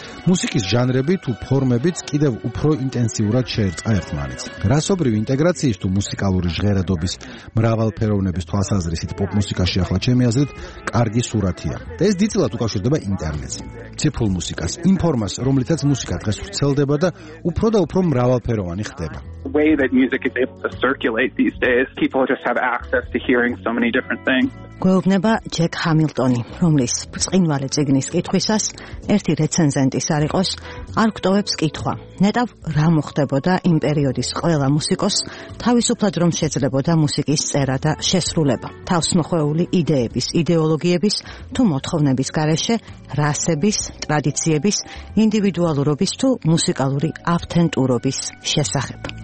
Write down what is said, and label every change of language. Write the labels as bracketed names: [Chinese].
[Georgian] მუსიკის ჟანრები თუ ფორმებიც კიდევ უფრო ინტენსიურად შეერწყა ერთმანეთს. გრასობრივი ინტეგრაციის თუ მუსიკალური ჟღერადობის მრავალფეროვნების თვალსაზრისით პოპ მუსიკაში ახლა ჩემი აზრით კარგი სურათია. და ეს დიდწილად უკავშირდება ინტერნეტს, ციფრულ მუსიკას, ინფორმას, რომლითაც მუსიკა დღეს ვრცელდება და უფრო და უფრო მრავალფეროვანი ხდება. [English] Way that music is able to circulate these days, people just have access to hearing so many different things. [Georgian] გვეუბნება ჯეკ ჰამილტონი, რომლის ბრწყინვალე წიგნის კითხვისას ერთი რეცენზენტის არ იყოს, არ გტოვებს კითხვა. ნეტავ რა მოხდებოდა იმ პერიოდის ყველა მუსიკოს, თავისუფლად რომ შეძლებოდა მუსიკის წერა და შესრულება. თავსმოხვეული იდეების, იდეოლოგიების თუ მოთხოვნების გარეშე, რასების, ტრადიციების, ინდივიდუალურობის თუ მუსიკალური ავთენტურობის შესახებ.